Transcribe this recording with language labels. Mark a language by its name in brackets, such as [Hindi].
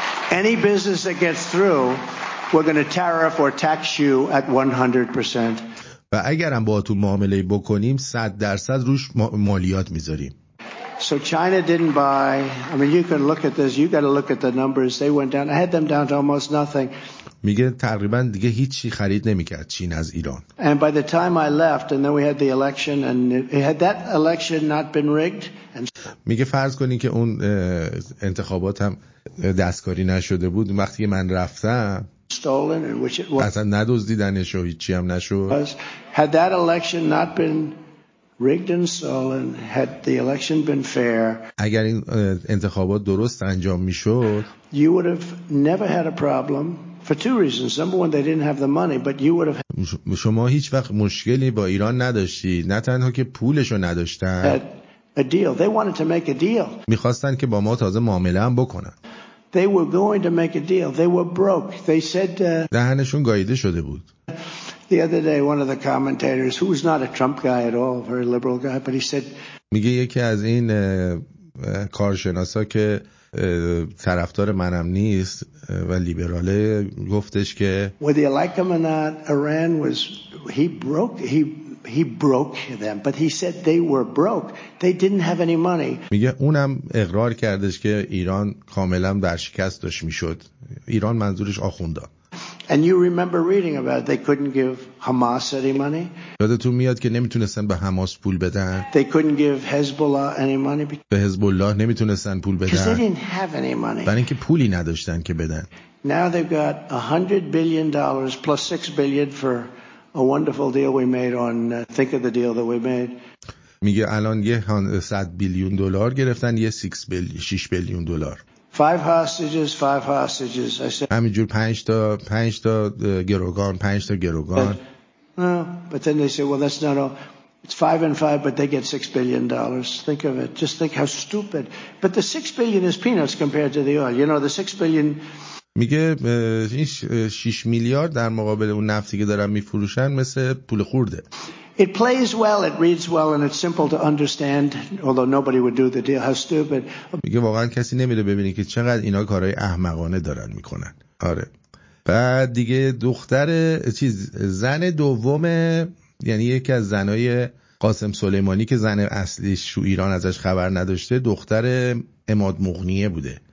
[English] any business that gets through, we're going to tariff or tax you at 100%. [Persian] و اگرم باهاتون معامله‌ای بکنیم 100% روش مالیات می‌ذاریم. [English] So China didn't buy. I mean, you can look at this. You got to look at the numbers. They went down. I had them down to almost nothing. [Persian] میگه تقریبا دیگه هیچی خرید نمیکرد چین از ایران. [English] And by the time I left, and then we had the election, and had that election not been rigged, and [Persian] میگه فرض کنی که اون انتخابات هم دستکاری نشده بود. وقتی من رفتم, [English] stolen, and which it was. [Persian] اصلا ندزدیدنش و هیچی هم نشد. [English] Had that election not been rigged and stolen, had the election been fair, [Persian] اگر این انتخابات درست انجام میشد, [English] you would have never had a problem for two reasons. Number one, they didn't have the money, but you would have. [Persian] شما هیچ وقت مشکلی با ایران نداشتی. نه تنها که پولشو نداشتن. [English] A deal. They wanted to make a deal. [Persian] میخواستن که با ما تازه معامله هم بکنن. [English] They were going to make a deal. They were broke. They said. [Persian] دهنشون گاییده شده بود. [English] The other day, one of the commentators, who was not a Trump guy at all, very liberal guy, but he said. [Persian] میگه یکی از این کارشناسا که طرفدار منم نیست و لیبراله, گفتش که. [English] Whether you like him or not, Iran was he broke them, but he said they were broke. They didn't have any money. [Persian] میگه اونم اقرار کردش که ایران کاملا ورشکست داشت میشد. ایران منظورش آخوندا. [English] And you remember reading about it. They couldn't give Hamas any money. [Persian] یادتون میاد که نمیتونستن به حماس پول بدن. [English] They couldn't give Hezbollah any money. [Persian] به حزب الله نمیتونستن پول بدن. [English] Because they didn't have any money. [Persian] برای اینکه پولی نداشتن که بدن. [English] Now they've got $100 billion plus $6 billion for a wonderful deal we made on. Think of the deal that we made. [Persian] میگه الان یه 100 بیلیون دلار گرفتن, یه 6 بیلیون دلار. [English] Five hostages. I said. [Persian] همینجور پنج تا گروگان. [English] No, but then they say, well, that's not all. It's five and five, but they get $6 billion. Think of it. Just think how stupid. But the $6 billion is peanuts compared to the oil. You know, the $6 billion. [Persian] میگه این 6 میلیارد در مقابل اون نفتی که دارن میفروشن مثل پول خورده. [English] It plays well, it reads well, and it's simple to understand, although nobody would do the deal. How stupid. [Persian] میگه واقعا کسی نمیره ببینی که چقدر اینا کارهای احمقانه دارن میکنن. آره. بعد دیگه دختر چیز زن دوم, یعنی یکی از زنای قاسم سلیمانی که زن اصلیش شو ایران ازش خبر نداشته, دختر عماد مغنیه بوده.